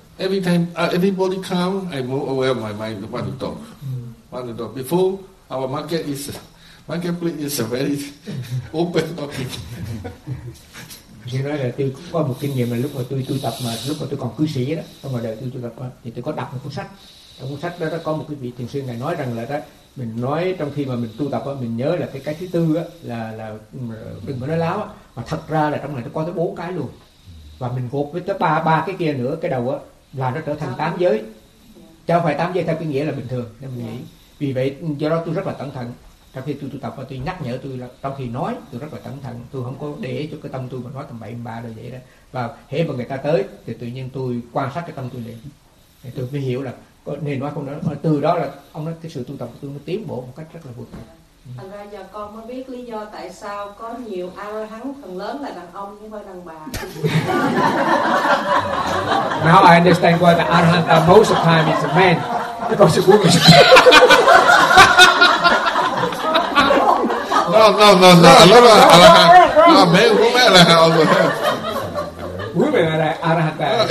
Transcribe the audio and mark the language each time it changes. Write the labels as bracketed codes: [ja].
[en] Every time everybody come, I'm more aware of my mind. Want to talk. Before our marketplace is a very open talking. [vi] Chị nói là tôi có một kinh nghiệm là lúc mà tôi tập mà lúc mà tôi còn cư sĩ đó, trong đời tôi tập thì tôi có đọc một cuốn sách. Trong cuốn sách đó có một cái vị thiền sư này nói rằng là đó mình nói trong khi mà mình tu tập á, mình nhớ là cái thứ tư á là đừng có nói láo á, mà thật ra là trong này nó có tới bốn cái luôn, và mình gộp với tới ba cái kia nữa cái đầu á là nó trở thành tám giới, chứ không phải tám giới theo cái nghĩa là bình thường nên mình nghĩ. Vì vậy do đó tôi rất là cẩn thận trong khi tu tập, và tôi nhắc nhở tôi là trong khi nói tôi rất là cẩn thận, tôi không có để cho cái tâm tôi mà nói tầm bậy ba rồi vậy đó. Và hễ mà người ta tới thì tự nhiên tôi quan sát cái tâm tôi liền, thì tôi mới hiểu là nên nói không nói. Từ đó là ông nói cái sự tu tập của tôi nó tiến bộ một cách rất là vượt bậc. Thành ra giờ con mới biết lý do tại sao có nhiều A-la-hán phần lớn là đàn ông chứ không phải đàn bà. [en] Now I understand why the A-la-hán most of the time is a man. Because it's a woman. No. A lot of A-la-hán. Women A-la-hán also have. Women A-la-hán.